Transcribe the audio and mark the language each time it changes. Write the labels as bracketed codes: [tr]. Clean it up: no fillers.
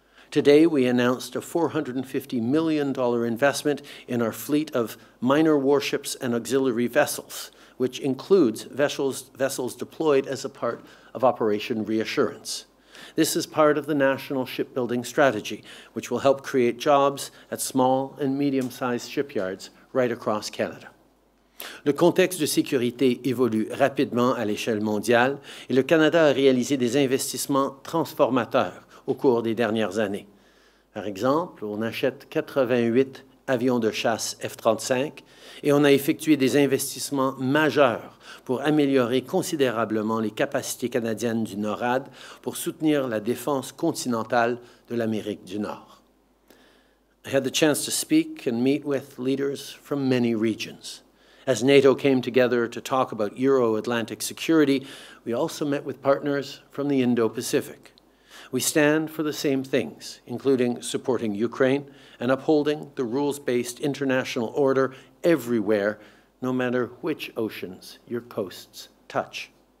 [en] Today, we announced a $450 million investment in our fleet of minor warships and auxiliary vessels, which includes vessels deployed as a part of Operation Reassurance. This is part of the National Shipbuilding Strategy, which will help create jobs at small and medium-sized shipyards right across Canada. [fr] Le contexte de sécurité évolue rapidement à l'échelle mondiale et le Canada a réalisé des investissements transformateurs au cours des dernières années. Par exemple, on achète 88 avions de chasse F-35 et on a effectué des investissements majeurs pour améliorer considérablement les capacités canadiennes du NORAD pour soutenir la défense continentale de l'Amérique du Nord. [en] I had the chance to speak and meet with leaders from many regions. As NATO came together to talk about Euro-Atlantic security, we also met with partners from the Indo-Pacific. We stand for the same things, including supporting Ukraine and upholding the rules-based international order everywhere, no matter which oceans your coasts touch.